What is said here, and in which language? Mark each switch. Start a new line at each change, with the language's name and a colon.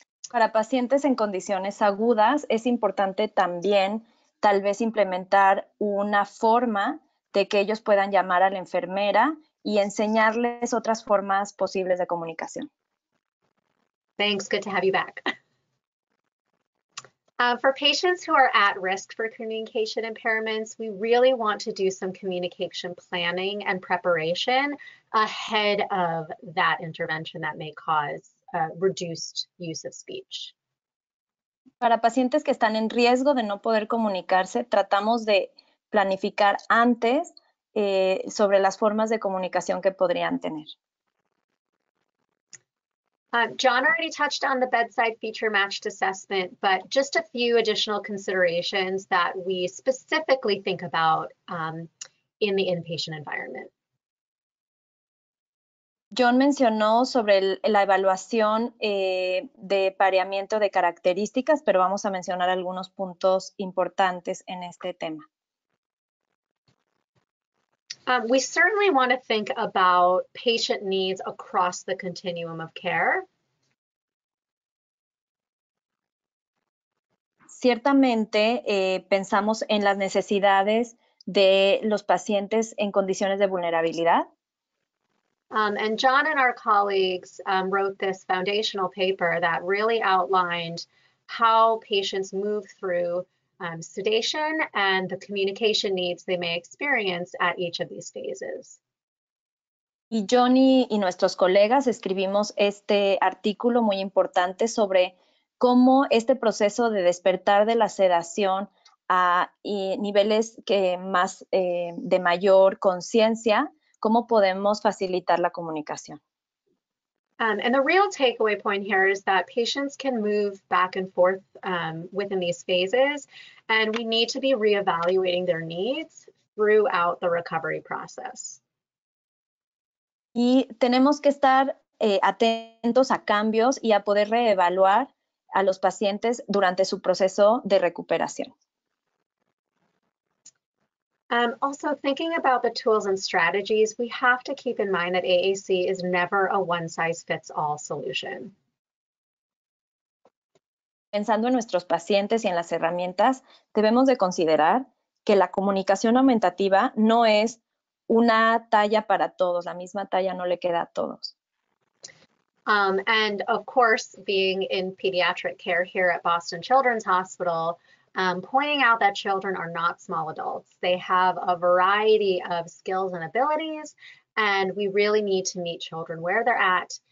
Spanish: Para pacientes en condiciones agudas, es importante también tal vez implementar una forma de que ellos puedan llamar a la enfermera y enseñarles otras formas posibles de comunicación.
English: Thanks, good to have you back. For patients who are at risk for communication impairments, we really want to do some communication planning and preparation ahead of that intervention that may cause reduced use of speech.
Spanish: Para pacientes que están en riesgo de no poder comunicarse, tratamos de planificar antes sobre las formas de comunicación que podrían tener.
English: John already touched on the bedside feature matched assessment, but just a few additional considerations that we specifically think about in the inpatient environment.
Spanish: John mencionó sobre la evaluación de pareamiento de características, pero vamos a mencionar algunos puntos importantes en este tema.
English: We certainly want to think about patient needs across the continuum of care.
Spanish: Ciertamente, pensamos en las necesidades de los pacientes en condiciones de vulnerabilidad.
English: And John and our colleagues wrote this foundational paper that really outlined how patients move through sedation and the communication needs they may experience at each of these phases.
Spanish: Y Johnny y nuestros colegas escribimos este artículo muy importante sobre cómo este proceso de despertar de la sedación a niveles que más de mayor conciencia, cómo podemos facilitar la comunicación.
English: And the real takeaway point here is that patients can move back and forth within these phases, and we need to be reevaluating their needs throughout the recovery process.
Spanish: Y tenemos que estar atentos a cambios y a poder reevaluar a los pacientes durante su proceso de recuperación.
English: Also, thinking about the tools and strategies, we have to keep in mind that AAC is never a one-size-fits-all solution.
Spanish: Pensando en nuestros pacientes y en las herramientas, debemos de considerar que la comunicación aumentativa no es una talla para todos, la misma talla no le queda a todos.
English: And of course, being in pediatric care here at Boston Children's Hospital, pointing out that children are not small adults. They have a variety of skills and abilities, and we really need to meet children where they're at.